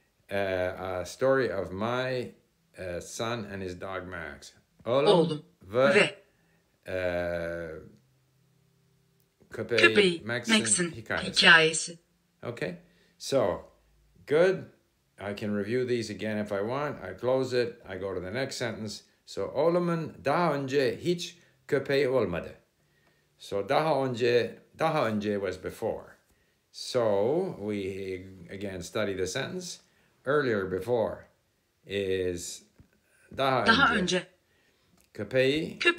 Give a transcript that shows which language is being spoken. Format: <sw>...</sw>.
<en>A story of my son and his dog, Max.</en> <tr>Oğlum. Oğlum. Ve. Köpeği. Max'in hikayesi.</tr> <en>Okay, so good. I can review these again if I want. I close it. I go to the next sentence.</en> <tr>So, olumun daha önce hiç köpeği olmadı.</tr> <en>So,</en> <tr>daha önce</tr> <en>was before. So, we again study the sentence. Earlier, before, is</en> <tr>daha önce. Köpeği.</tr>